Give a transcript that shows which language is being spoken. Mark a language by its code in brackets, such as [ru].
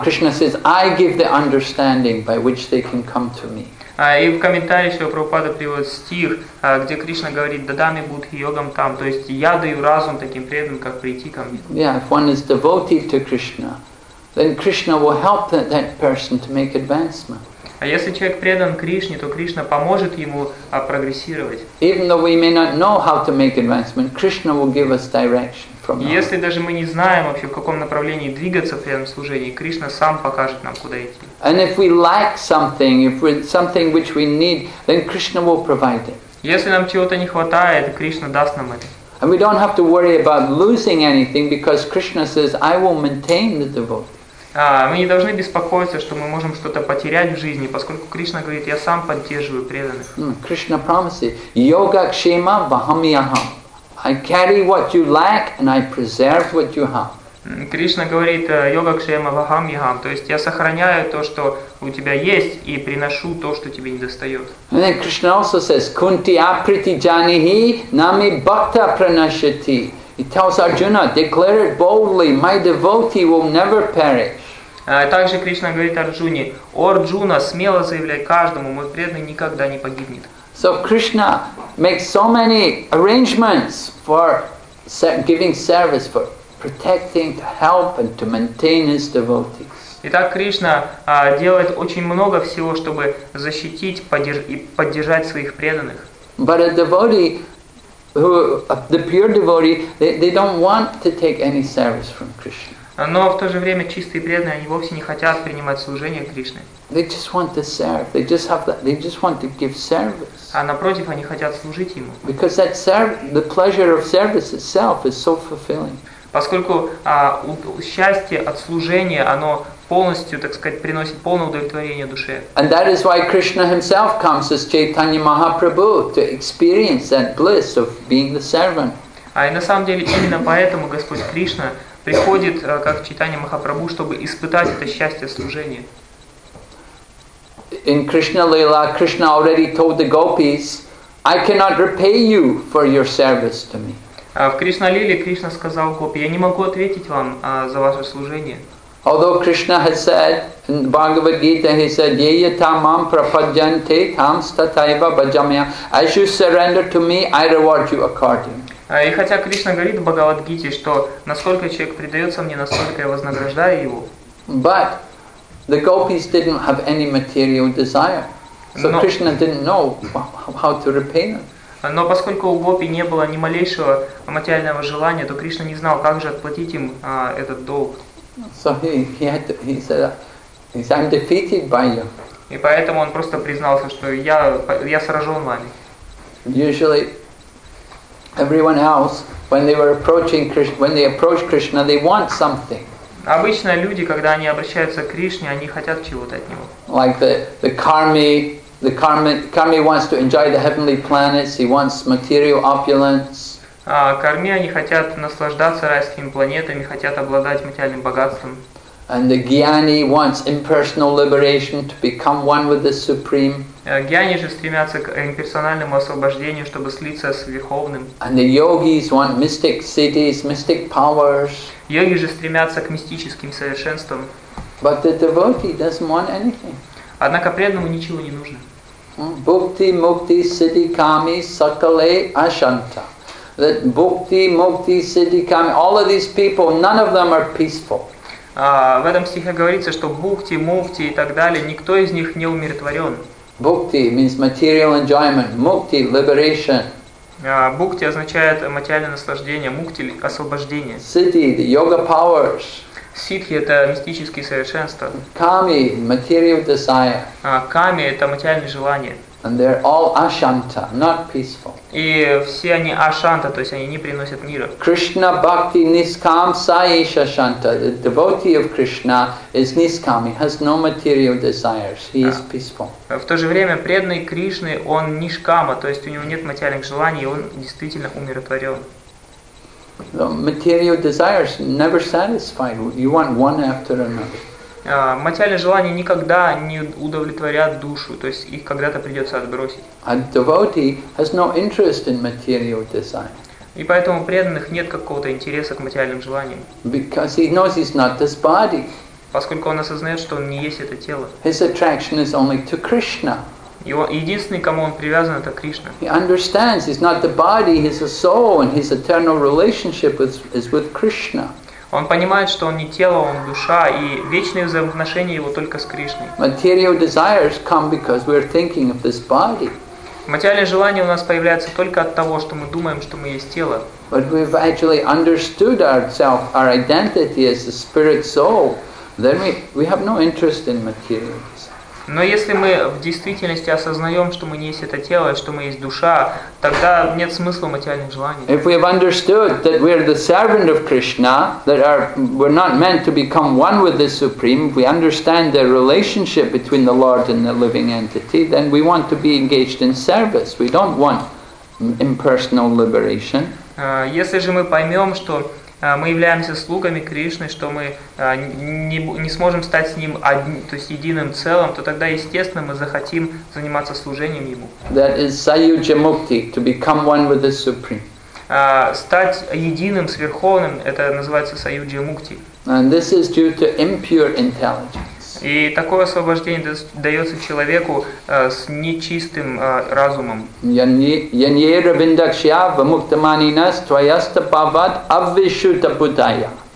[en] Krishna says, I give the understanding by which they can come to me. [ru] И в комментарии Шрила Прабхупада приводит стих, где Кришна говорит: [sa] «Дадами будхи йогам там», [ru] то есть я даю разум таким преданным, как прийти ко мне. [en] Yeah, if one is devoted to Krishna, then Krishna will help that person to make advancement. [ru] А если человек предан Кришне, то Кришна поможет ему прогрессировать. [en] Even though we may not know how to make advancement, Krishna will give us direction. [ru] Если даже мы не знаем вообще, в каком направлении двигаться в преданном служении, Кришна сам покажет нам, куда идти. [en] And if we lack something, if it's something which we need, then Krishna will provide it. [ru] Если нам чего-то не хватает, Кришна даст нам это. [en] And we don't have to worry about losing anything, because Krishna says, I will maintain the devotee. [ru] Мы не должны беспокоиться, что мы можем что-то потерять в жизни, поскольку Кришна говорит, я сам поддерживаю преданных. [en] Krishna promises, [sa] yoga kshema vahamyaham. [en] I carry what you lack and I preserve what you have. [ru] Кришна говорит: [sa] йога кшема вахам ягам, [ru] то есть я сохраняю то, что у тебя есть, и приношу то, что тебе недостает. [en] And then Krishna also says, [sa] Kunti apriti janihi nami bhakta pranashati. [en] He tells Arjuna, declare it boldly, my devotee will never perish. [ru] Также Кришна говорит Арджуне: О Арджуна, смело заявляй каждому, мой преданный никогда не погибнет. [en] So Krishna makes so many arrangements for giving service, for protecting, to help and to maintain his devotees. [ru] Итак, Кришна делает очень много всего, чтобы защитить и поддержать своих преданных. [en] But a devotee, the pure devotee, they don't want to take any service from Krishna. [ru] Но в то же время чистые преданные, они вовсе не хотят принимать служение Кришны. [en] They just want to serve. They just have that. They just want to give service. [ru] А напротив, они хотят служить ему. [en] Because that serve, the pleasure of service itself is so fulfilling. [ru] Поскольку счастье от служения, оно полностью, так сказать, приносит полное удовлетворение душе. [en] And that is why Krishna himself comes as Chaitanya Mahaprabhu to experience that bliss of being the servant. [ru] А и на самом деле именно поэтому Господь Кришна приходит как Чайтанья Махапрабху, чтобы испытать это счастье служения. [en] In Krishna Lila, Krishna already told the gopis, I cannot repay you for your service to me. [ru] В Кришна Лиле Кришна сказал гопи, я не могу ответить вам за ваше служение. [en] Although Krishna had said in Bhagavad Gita, he said, [sa] Yeya tamam prapadyante tam stataiva bhajamya. [en] As you surrender to me, I reward you accordingly. [ru] И хотя Кришна говорит в Бхагавадгите, что насколько человек предается мне, настолько я вознаграждаю его. [en] But the gopis didn't have any material desire, so Krishna didn't know how to repay them. [ru] Но поскольку у гопи не было ни малейшего материального желания, то Кришна не знал, как же отплатить им этот долг. [en] So he said, I'm defeated by you. [ru] И поэтому он просто признался, что я сражен вами. [en] Usually everyone else, when they were approaching Krishna, when they approach Krishna, they want something. [ru] Обычно люди, когда они обращаются к Кришне, они хотят чего-то от него. [en] Like the karmi wants to enjoy the heavenly planets. He wants material opulence. [ru] Карми они хотят наслаждаться райскими планетами, хотят обладать материальным богатством. [en] And the gyani wants impersonal liberation to become one with the supreme. [ru] Гьяни же стремятся к имперсональному освобождению, чтобы слиться с Верховным. [en] And the yogis want mystic cities, mystic powers. [ru] Йоги же стремятся к мистическим совершенствам. [en] But the devotee doesn't want anything. [ru] Однако преданному ничего не нужно. [sa] Bhukti, mukti, siddhi, kami, sakale, ashanta. [en] That bhukti, mukti, siddhi, kami, all of these people, none of them are peaceful. [ru] В этом стихе говорится, что бхукти, мукти и так далее, никто из них не умиротворен. [en] Bhukti means material enjoyment, mukti liberation. [ru] Bhukti означает материальное наслаждение, mukti освобождение. [en] Siddhi, the yoga powers. [ru] Siddhi это мистические совершенства. [en] Kami, material desire. [ru] Kami это материальные желания. [en] And they're all ashanta, not peaceful. [ru] И все они ашанта, то есть они не приносят мира. [sa] Krishna bhakti niskam saish ashanta. [en] The devotee of Krishna is niskam. He has no material desires. He is peaceful. [ru] В то же время преданный Кришны, он нишкама, то есть у него нет материальных желаний, и он действительно умиротворен. [en] The material desires never satisfied. You want one after another. [ru] Материальные желания никогда не удовлетворят душу, то есть их когда-то придется отбросить. [en] A devotee has no interest in material desire. [ru] И поэтому у преданных нет какого-то интереса к материальным желаниям. [en] Because he knows he's not this body. [ru] Поскольку он осознает, что он не есть это тело. [en] His attraction is only to Krishna. [ru] Его единственный, кому он привязан, это Кришна. [en] He understands he's not the body, he's a soul, and his eternal relationship is with Krishna. [ru] Он понимает, что он не тело, он душа, и вечные взаимоотношения его только с Кришной. [en] Material desires come because we're thinking of this body. [ru] Материальные желания у нас появляются только от того, что мы думаем, что мы есть тело. [en] But we've actually understood ourselves, our identity as a spirit soul. Then we have no interest in material desires. [ru] Но если мы в действительности осознаем, что мы не есть это тело, что мы есть душа, тогда нет смысла материальных желаний. [en] If we have understood that we are the servant of Krishna, that we're not meant to become one with the Supreme, if we understand the relationship between the Lord and the living entity, then we want to be engaged in service. We don't want impersonal liberation. [ru] Если же мы поймем, что мы являемся слугами Кришны, что мы не сможем стать с Ним одним, то есть единым целым, то тогда, естественно, мы захотим заниматься служением Ему. [en] That is Sayujya Mukti, to become one with the Supreme. [ru] Стать единым с Верховным, это называется Sayujya Mukti. [en] And this is due to impure intelligence. [ru] И такое освобождение дается человеку с нечистым разумом. [sa] Янье равиндакшья вамуктаманинас твоясто павад аввишута будая.